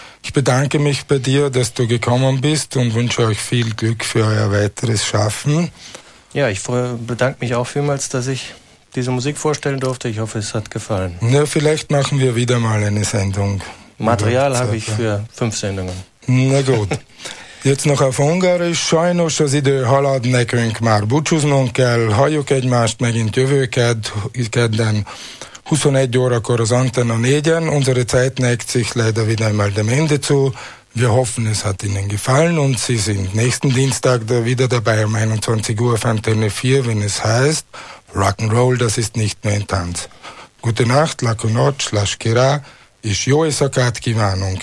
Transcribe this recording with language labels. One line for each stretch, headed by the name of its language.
German: Ich bedanke mich bei dir, dass du gekommen bist und wünsche euch viel Glück für euer weiteres Schaffen. Ja, ich bedanke mich auch vielmals, dass ich diese Musik vorstellen durfte. Ich hoffe, es hat gefallen. Na, vielleicht machen wir wieder mal eine Sendung. Material habe ich für 5 Sendungen. Na gut. Jetzt noch auf Ungarisch.
Hungarian: Sajnos az idő halad, nekünk már búcsúznunk kell. Halljuk egymást megint jövő kedden 21 órakor az Antenna 4-en.
German: Unsere Zeit neigt sich leider wieder einmal dem Ende zu. Wir hoffen, es hat Ihnen gefallen und Sie sind nächsten Dienstag wieder dabei um 21 Uhr auf Antenne 4, wenn es heißt Rock'n'Roll, das ist nicht nur ein Tanz. Gute Nacht, Lakonoc, Laskira, ist Joe Sakat Gewarnung.